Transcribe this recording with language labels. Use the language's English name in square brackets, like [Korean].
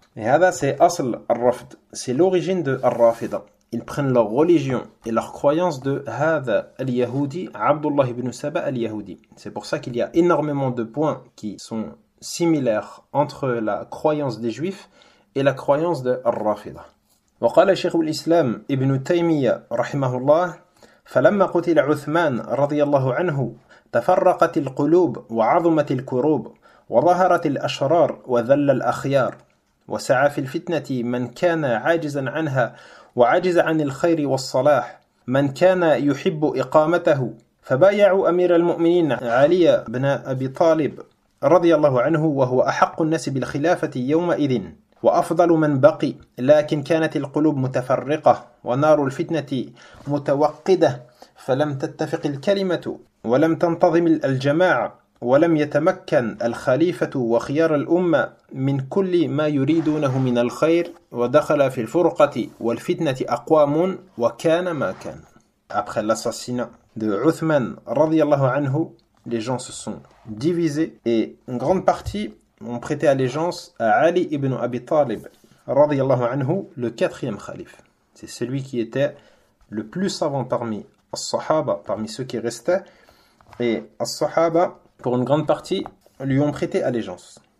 [French] Et Hada, c'est [Arabic] Asl al-Rafd, [French] c'est l'origine de al-Rafida. Ils prennent leur religion et leur croyance de [Arabic] Hada al-Yahoudi, [French] Abdullah ibn Saba al-Yahoudi. C'est pour ça qu'il y a énormément de points qui sont similaires entre la croyance des Juifs et la croyance de Ar-Rafida. [Arabic] وقال شيخ الإسلام ابن تيمية رحمه الله فلما قتل عثمان رضي الله عنه تفرقت القلوب وعظمت الكروب وظهرت الأشرار وذل الأخيار وسعى في الفتنة من كان عاجزا عنها وعجز عن الخير والصلاح من كان يحب إقامته فبايعوا أمير المؤمنين علي بن أبي طالب رضي الله عنه وهو أحق الناس بالخلافة يومئذ وأفضل من بقي لكن كانت القلوب متفرقة ونار الفتنة متوقدة فلم تتفق الكلمة ولم تنتظم الجماعة ولم يتمكن الخليفة وخيار الأمة من كل ما يريدونه من الخير ودخل في الفرقة والفتنة أقوام وكان ما كان. [French] Après l'assassinat de Othman رضي الله عنه, les gens se sont divisés et une grande partie ont prêté allégeance à Ali ibn Abi Talib رضي الله عنه, le quatrième calife. C'est celui qui était le plus savant parmi les Sahaba, parmi ceux qui restaient, et les Sahaba pour une grande partie, lui ont prêté allégeance.